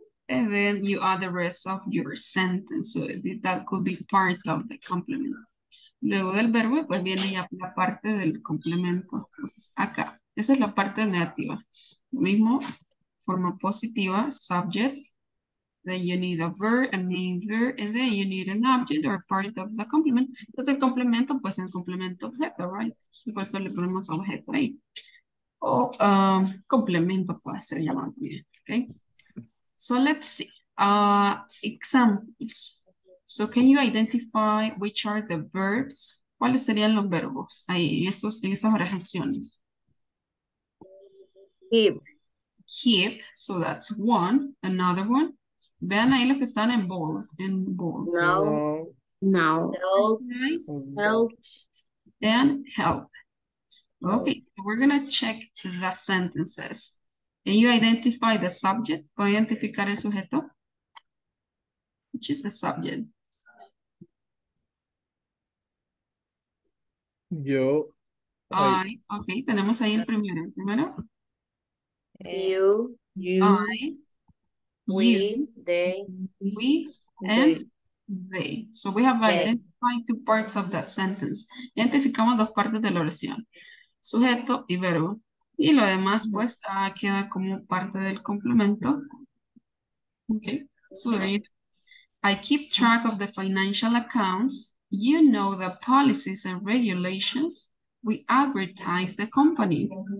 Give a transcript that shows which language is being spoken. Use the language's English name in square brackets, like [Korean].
[English] And then you add the rest of your sentence. So that could be part of the complement. [Spanish] Luego del verbo, pues viene ya la parte del complemento. Entonces acá, esa es la parte negativa. Lo mismo, forma positiva, subject. [English] Then you need a verb, a main verb. And then you need an object or part of the complement. [Spanish] Entonces el complemento, pues el complemento objeto, right? Y por eso le ponemos objeto ahí. O complemento puede ser llamado bien, okay? [English] So let's see, examples. So can you identify which are the verbs? [Spanish] ¿Cuáles serían los verbos ahí en esas oraciones? [English] Present. Present. Present. Present. Present. Keep. Keep, so that's one. Another one. [Spanish] Vean ahí lo que están en bold. [English] In bold. No. No. Help. Nice. Help. And help. Okay, so we're going to check the sentences. Can you identify the subject? [Spanish] ¿Puedo identificar el sujeto? [English] Which is the subject? [Spanish] Yo. I. Okay, tenemos ahí el primero. Primero. [English] You. You. I. We. You, they. We. And they. So we have identified two parts of that sentence. [Spanish] Identificamos dos partes de la oración. Sujeto y verbo. Y lo demás, pues, queda como parte del complemento. [English] Okay. So there you go. I keep track of the financial accounts. You know the policies and regulations. We advertise the company.